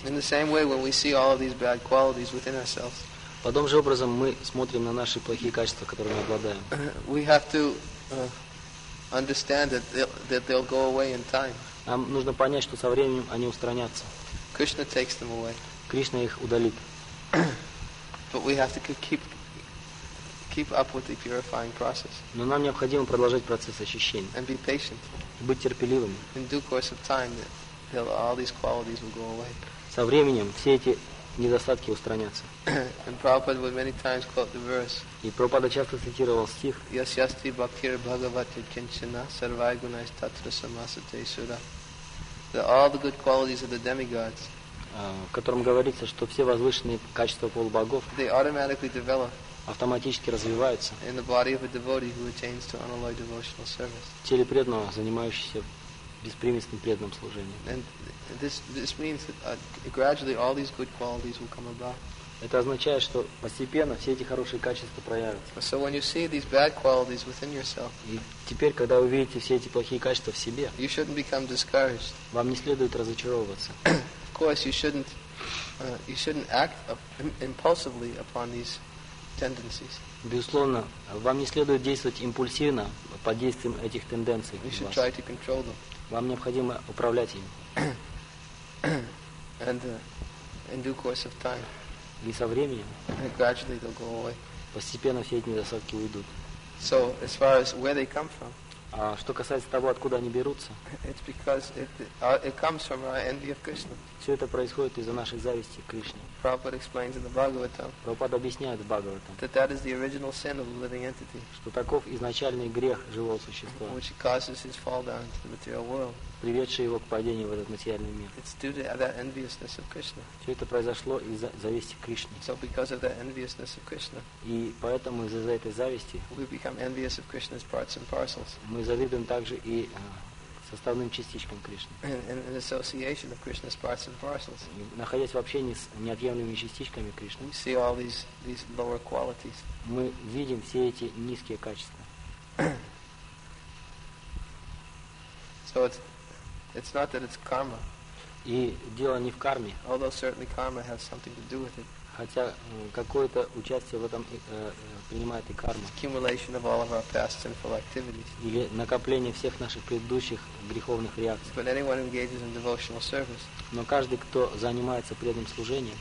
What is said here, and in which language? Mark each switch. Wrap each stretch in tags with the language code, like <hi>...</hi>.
<en>In the same way, when we see all of these bad qualities within ourselves.</en> <ru>По тому же образом мы смотрим на наши плохие качества, которыми мы обладаем.</ru> <en>We have to understand that they'll go away in time.</en> <ru>Нам нужно понять, что со временем они устранятся.</ru> <en>Krishna takes them away.</en> <ru>Кришна их удалит.</ru> <en>But we have to keep up with the purifying process.</en> <ru>Но нам необходимо продолжать процесс очищения.</ru> <en>And be patient.</en> <ru>Быть терпеливыми.</ru> <en>In due course of time, all these qualities will go away.</en> <ru>Со временем все эти недостатки устранятся.</ru> <en>And Prabhupada would many times quote the verse.</en> <ru>И Прабхупада часто цитировал стих.</ru> <sa>Yasyasti bhaktir bhagavati kinchana sarvai gunais tatra samasate sura.</sa> <en>That all the good qualities of the demigods.</en> <ru>В котором говорится, что все возвышенные качества полубогов.</ru> <en>They automatically develop.</en> <ru>Автоматически развиваются.</ru> <en>In the body of a devotee who attains to unalloyed devotional service.</en> <ru>В теле преданного, занимающегося беспримесным преданным служением.</ru> <en>This means that gradually all these good qualities will come about.</en> <ru>Это означает, что постепенно все эти хорошие качества проявятся.</ru> <en>So when you see these bad qualities within yourself,</en> <ru>и теперь, когда вы видите все эти плохие качества в себе,</ru> <en>you shouldn't become discouraged.</en> <ru>Вам не следует разочаровываться.</ru> <en>Of course, you shouldn't act impulsively upon these tendencies.</en> <ru>Безусловно, вам не следует действовать импульсивно под действием этих тенденций.</ru> <en>You should try to control them.</en> <ru>Вам необходимо управлять ими.</ru> <en>And in due course of time.</en> <ru>И со временем.</ru> <en>And gradually they'll go away.</en> <ru>Постепенно все эти недостатки уйдут.</ru> <en>So as far as where they come from.</en> <ru>А что касается того, откуда они берутся?</ru> <en>It's because it comes from our envy of Krishna.</en> <ru>Все это происходит из-за нашей зависти к Кришне.</ru> <en>Prabhupada explains in the Bhagavatam.</en> <ru>Прабхупада объясняет в Бхагаватам.</ru> <en>That is the original sin of the living entity.</en> <ru>Что таков изначальный грех живого существа.</ru> <en>Which causes his fall down into the material world.</en> <ru>Приведший его к падению в этот материальный мир.</ru> <en>It's due to that enviousness of Krishna.</en> <ru>Все это произошло из-за зависти к Кришне.</ru> <en>So because of that enviousness of Krishna.</en> <ru>И поэтому из-за этой зависти.</ru> <en>We become envious of Krishna's parts and parcels.</en> <ru>Мы завидуем также и составным частичкам Кришны.</ru> <en>In association of Krishna's parts and parcels.</en> <ru>Находясь в общении с неотъемлемыми частичками Кришны,</ru> <en>we see all these lower qualities.</en> <ru>Мы видим все эти низкие качества.</ru> <en>So it's not that it's karma.</en> <ru>И дело не в карме.</ru> <en>Although certainly karma has something to do with it.</en> <ru>Хотя какое-то участие в этом принимает и карма.</ru> <en>Accumulation of all of our past sinful activities.</en> <ru>Или накопление всех наших предыдущих греховных реакций.</ru> <en>But anyone engages in devotional service.</en> <ru>Но каждый, кто занимается преданным служением,</ru>